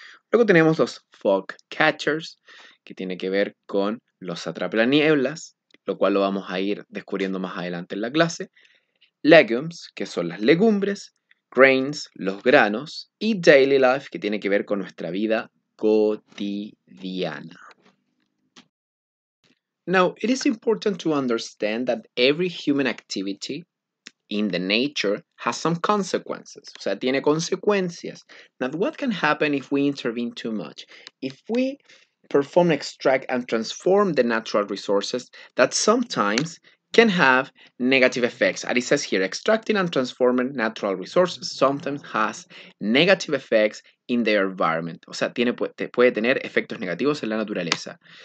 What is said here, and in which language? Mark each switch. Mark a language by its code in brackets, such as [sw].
[es] Luego tenemos los fog catchers, que tiene que ver con los atrapanieblas, lo cual lo vamos a ir descubriendo más adelante en la clase. Legumes, que son las legumbres. Grains, los granos. Y daily life, que tiene que ver con nuestra vida cotidiana. [en] Now, it is important to understand that every human activity in the nature has some consequences. [es] O sea, tiene consecuencias. [en] Now, what can happen if we intervene too much? If we perform, extract, and transform the natural resources that sometimes can have negative effects. As it says here, extracting and transforming natural resources sometimes has negative effects in the environment. [es] O sea, puede tener efectos negativos en la naturaleza.